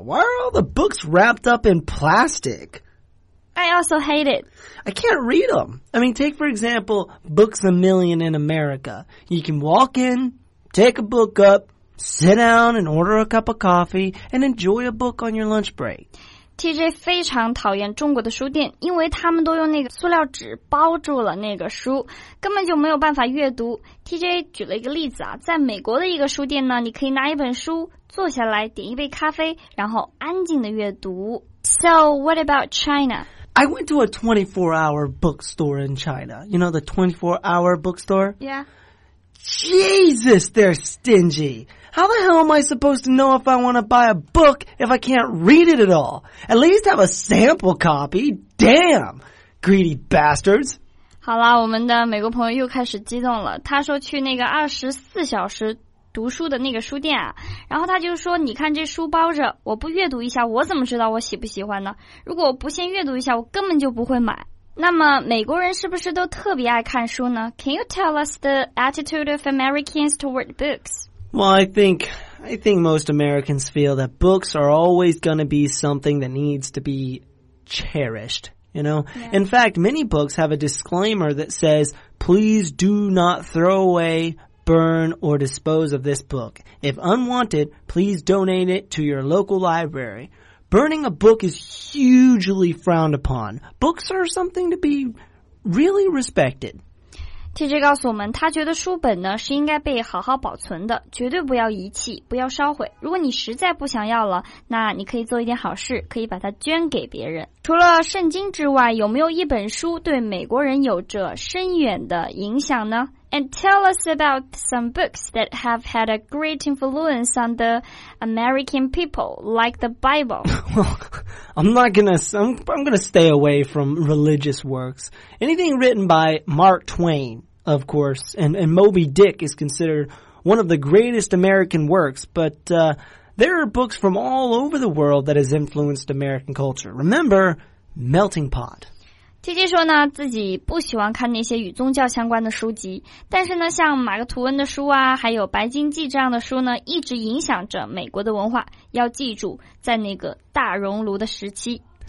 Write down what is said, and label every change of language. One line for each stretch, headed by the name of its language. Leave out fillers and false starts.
English: Why are all the books wrapped up in plastic? I also hate it. I can't read them. I mean, take for example, Books a Million in America. You can walk in, take a book up, sit down and order a cup of coffee, and enjoy a book on your lunch break.
Chinese: TJ 非常讨厌中国的书店，因为他们都用那个塑料纸包住了那个书，根本就没有办法阅读。 TJ 举了一个例子啊，在美国的一个书店呢，你可以拿一本书，坐下来，点一杯咖啡，然后安静的阅读。
English: So, what about China? I went to a 24-hour bookstore in China. You know the 24-hour bookstore? Yeah. Jesus, they're stingy. How the hell am I supposed to know if I want to buy a book if I can't read it at all? At least have a sample copy. Damn, greedy bastards.
Chinese: 好啦，我们的美国朋友又开始激动了。他说去那个24小时读书的那个书店啊，然后他就说你看这书包着，我不阅读一下，我怎么知道我喜不喜欢呢？如果我不先阅读一下，我根本就不会买。那么美国人是不是都特别爱看书呢?
English: Can you tell us the attitude of Americans toward books? Well, I think most Americans feel that books are always going to be something that needs to be cherished, you know? Yeah. In fact, many books have a disclaimer that says, please do not throw away, burn, or dispose of this book. If unwanted, please donate it to your local library. Burning a book is hugely frowned upon. Books are something to be really respected.
Chinese: TJ 告诉我们，他觉得书本呢是应该被好好保存的，绝对不要遗弃，不要烧毁。如果你实在不想要了，那你可以做一点好事，可以把它捐给别人。除了圣经之外，有没有一本书对美国人有着深远的影响呢？
English: And tell us about some books that have had a great influence on the American people, like the Bible. Well, I'm going to stay away from religious works. Anything written by Mark Twain, of course, and Moby Dick is considered one of the greatest American works, but there are books from all over the world that has influenced American culture. Remember, Melting Pot.
Chinese: TJ 说呢，自己不喜欢看那些与宗教相关的书籍，但是呢，像马克吐温的书啊，还有白鲸记这样的书呢，一直影响着美国的文化。要记住，在那个大熔炉的时期。